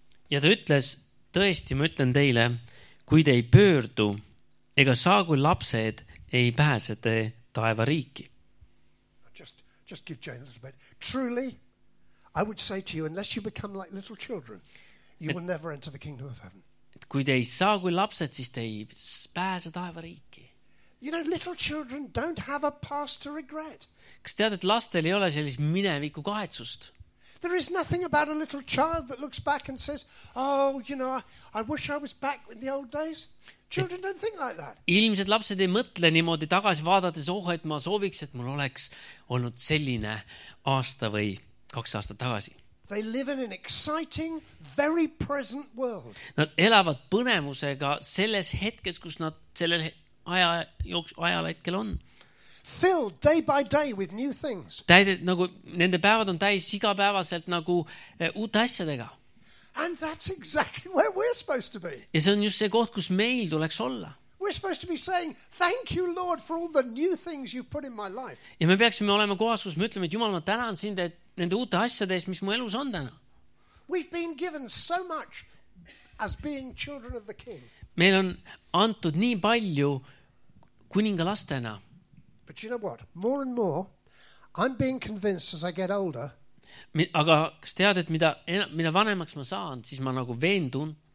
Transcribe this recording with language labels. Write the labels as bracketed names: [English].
[Estonian] Ja ta ütles, tõesti ma ütlen teile, kui te ei pöördu, ega saa kui lapsed, ei pääse te taeva riiki. [English] Just give Jane a little bit. Truly, I would say to you, unless you become like little children, you will never enter the kingdom of heaven. [Estonian] Kui te ei saa kui lapsed, siis te ei pääse taeva riiki. [English] You know, little children don't have a past to regret. [Estonian] Kas tead, et lastel ei ole sellist mineviku kahetsust? [English] There is nothing about a little child that looks back and says, oh, you know, I wish I was back in the old days. Children don't think like that. [Estonian] Ilmselt lapsed ei mõtle niimoodi tagasi vaadates, oh, et ma sooviks, et mul oleks olnud selline aasta või kaks aastat tagasi. [English] They live in an exciting, very present world. [Estonian] Nad elavad põnemusega selles hetkes, kus nad sellel ajal hetkel on. [English] Filled day by day with new things. [Estonian] Nende päevad on täis igapäevaselt nagu uute asjadega. [English] And that's exactly where we're supposed to be. [Estonian] Ja see on just see koht, kus meil tuleks olla. [English] We're supposed to be saying, thank you, Lord, for all the new things you've put in my life. [Estonian] Ja me peaksime olema kohas, kus me ütleme, et Jumal, ma tänan sind, et nende uute asjade eest, mis mu elus on täna. [English] We've been given so much as being children of the King. [Estonian] Meil on antud nii palju kuninga lastena. [English] But you know what? More and more, I'm being convinced as I get older. [Estonian] Aga kas tead, et mida vanemaks ma saan, siis ma nagu veendun,